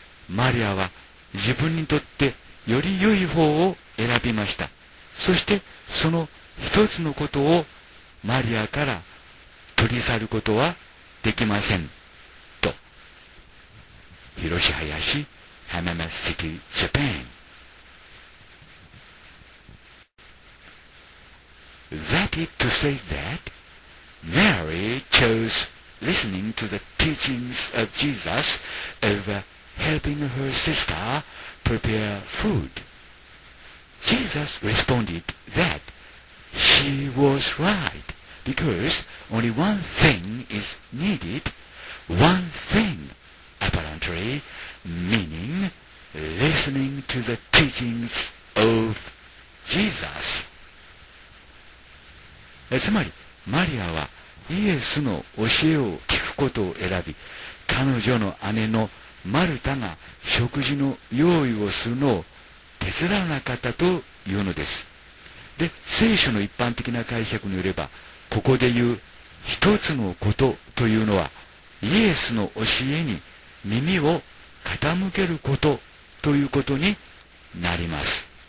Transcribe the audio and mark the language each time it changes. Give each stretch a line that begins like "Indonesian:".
Japanese: マリアは自分にとってより良い方を選びました。そしてその一つのことをマリアから取り去ることはできませんと。広島市浜松市ジャパン。
English: That is to say that Mary chose listening to the teachings of Jesus over helping her sister prepare food. Jesus responded that she was right because only one thing is needed, one thing, apparently, meaning listening to the teachings of Jesus.
Japanese: つまりマリアはイエスの教えを聞くことを選び、彼女の姉のマルタが食事の用意をするのを手伝わなかったというのです。で、聖書の一般的な解釈によれば、ここで言う一つのことというのはイエスの教えに耳を傾けることということになります。